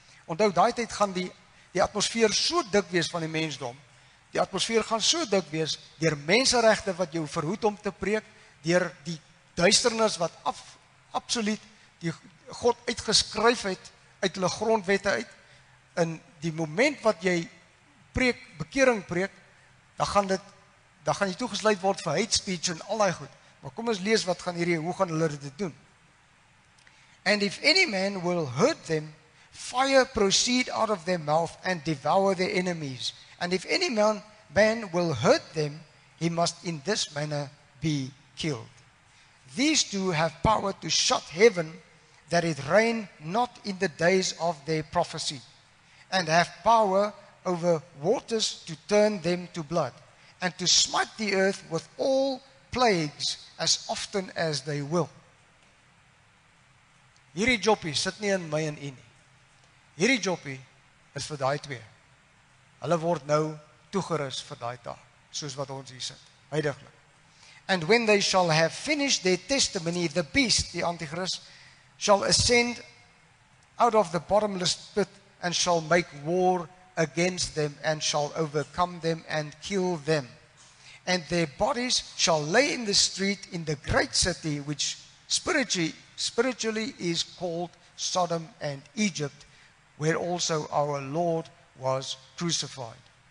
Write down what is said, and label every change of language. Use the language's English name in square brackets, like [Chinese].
[Afrikaans] Onthou, daai tyd gaan die atmosfeer so dik wees van die mensdom, die atmosfeer gaan so dik wees deur menseregte wat jou verhoed om te preek, deur die duisternis wat absoluut die God uitgeskryf het uit hulle grondwette uit, in die moment wat jy preek, bekering preek, dan gaan jy toegesluit word vir hate speech en al die goed. Maar kom ons lees wat gaan hierdie, hoe gaan hulle dit doen? [English] "And if any man will hurt them, fire proceed out of their mouth and devour their enemies. And if any man will hurt them, he must in this manner be killed. These two have power to shut heaven that it rain not in the days of their prophecy, and have power over waters to turn them to blood, and to smite the earth with all plagues as often as they will." [Afrikaans] Hierdie joppie sit nie in my en u nie. Hierdie joppie is vir daai twee. Hulle word nou toegerus vir daai taak, soos wat ons hier sit, heidaglik. [English] "And when they shall have finished their testimony, the beast," die antichrist, "shall ascend out of the bottomless pit and shall make war against them and shall overcome them and kill them. And their bodies shall lay in the street in the great city which spiritually is called Sodom and Egypt, where also our Lord was crucified.